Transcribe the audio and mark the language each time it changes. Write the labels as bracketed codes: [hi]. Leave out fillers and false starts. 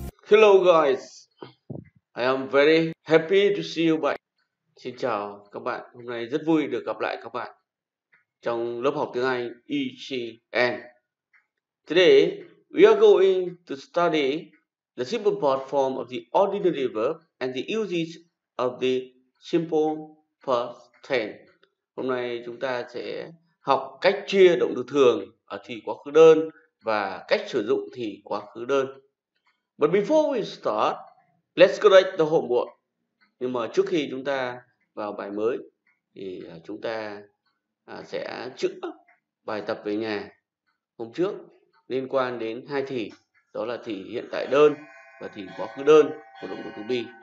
[en] Hello guys, I am very happy to see you back. [vi] Xin chào các bạn, hôm nay rất vui được gặp lại các bạn trong lớp học tiếng Anh ECN. [en] Today, we are going to study the simple part form of the ordinary verb and the usage of the simple past tense. [vi] Hôm nay chúng ta sẽ học cách chia động từ thường ở thì quá khứ đơn và cách sử dụng thì quá khứ đơn. [en] But before we start, let's correct the homework. [vi] Nhưng mà trước khi chúng ta vào bài mới, thì chúng ta sẽ chữa bài tập về nhà hôm trước liên quan đến hai thì, đó là thì hiện tại đơn và thì quá khứ đơn của động từ to be.